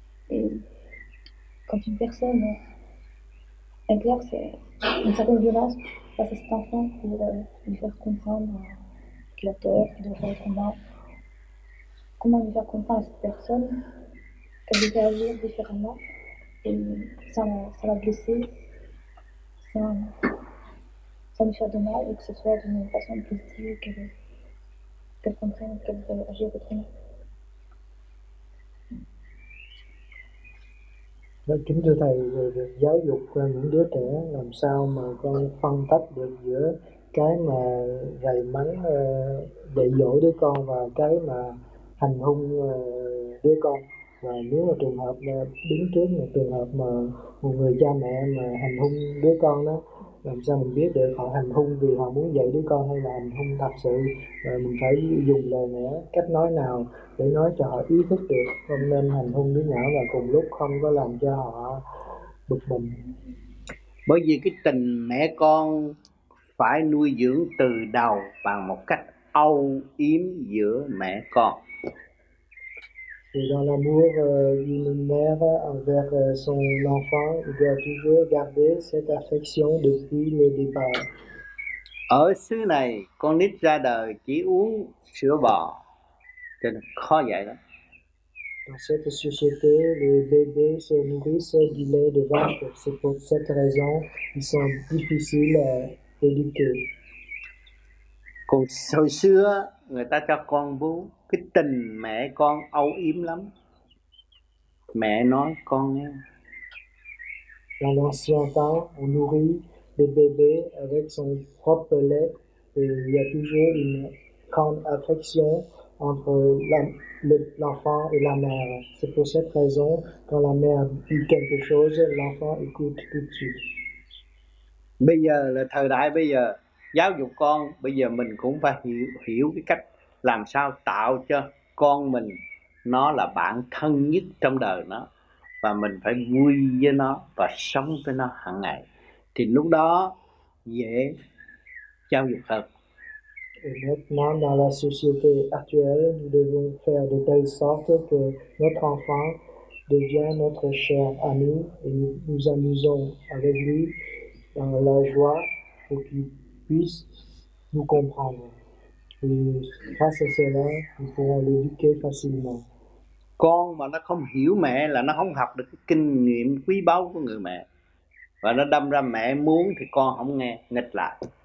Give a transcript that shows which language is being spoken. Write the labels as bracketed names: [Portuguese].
[French] Et quand une personne exerce une certaine violence face à cet enfant pour lui faire comprendre qu'il a tort, qu'il doit faire autrement, comment lui faire comprendre à cette personne qu'elle devait agir différemment et sans la blesser, sans lui faire de mal et que ce soit d'une façon positive qu'elle comprenne qu'elle devait agir autrement. [Vietnamese] Kính thưa thầy, về giáo dục những đứa trẻ làm sao mà con phân tách được giữa cái mà rầy mắng dạy dỗ đứa con và cái mà hành hung đứa con, và nếu mà trường hợp đứng trước một trường hợp mà một người cha mẹ mà hành hung đứa con đó, làm sao mình biết được họ hành hung vì họ muốn dạy đứa con hay là hành hung thật sự, và mình phải dùng lời lẽ cách nói nào để nói cho họ ý thức được không nên hành hung đứa nhỏ và cùng lúc không có làm cho họ bực mình. Bởi vì cái tình mẹ con phải nuôi dưỡng từ đầu bằng một cách âu yếm giữa mẹ con. [French] Et dans l'amour d'une mère envers son enfant, il doit toujours garder cette affection depuis le départ. [Vietnamese] Ở xứ này, con nít ra đời chỉ uống sữa bò, cho nên khó dạy lắm. [French] Dans cette société, les bébés se nourrissent du lait de vache. C'est pour cette raison qu'ils sont difficiles à éduquer. [Vietnamese] Còn hồi xưa người ta cho con bú, cái tình mẹ con âu yếm lắm. Mẹ nói con nghe. [French] Dans l'ancien temps, on nourrit les bébés avec son propre lait et il y a toujours une grande affection entre l'enfant et la mère. C'est pour cette raison, quand la mère dit quelque chose, l'enfant écoute tout de suite. [Vietnamese] Bây giờ là thời đại bây giờ, giáo dục con bây giờ mình cũng phải hiểu hiểu cái cách làm sao tạo cho con mình nó là bạn thân nhất trong đời nó, và mình phải vui với nó và sống với nó hàng ngày, thì lúc đó dễ giáo dục hơn. [French] Et maintenant, dans la société actuelle, nous devons faire de telle sorte que notre enfant devienne notre cher ami et nous nous amusons avec lui dans la joie pour qu'il puisse nous comprendre. Et grâce à cela, nous pourrons l'éduquer facilement. [Vietnamese] Con mà nó không hiểu mẹ là nó không học được cái kinh nghiệm quý báu của người mẹ, và nó đâm ra mẹ muốn thì con không nghe, nghịch lại.